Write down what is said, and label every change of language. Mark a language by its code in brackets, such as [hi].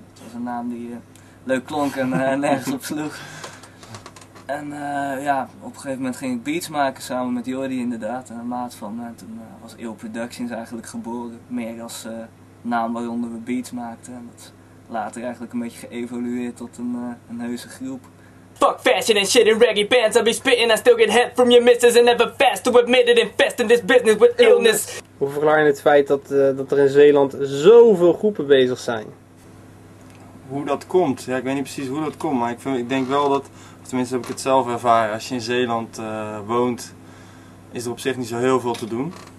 [nl] Dat was een naam die leuk klonk en nergens op sloeg. En ja, op een gegeven moment ging ik beats maken samen met Jordi inderdaad, een maat van me. En toen was Ill Productions eigenlijk geboren, meer als naam waaronder we beats maakten. En dat is later eigenlijk een beetje geëvolueerd tot een heuse groep. [en] Fuck fashion and shit in raggy pants, I be spitting, I still get head from your missus and never fast to admit it, invest in this business with illness. [nl] Hoe verklaar je het feit dat er in Zeeland zoveel groepen bezig zijn? Hoe dat komt, ja, ik weet niet precies hoe dat komt, maar ik denk wel dat, tenminste heb ik het zelf ervaren, als je in Zeeland woont, is er op zich niet zo heel veel te doen.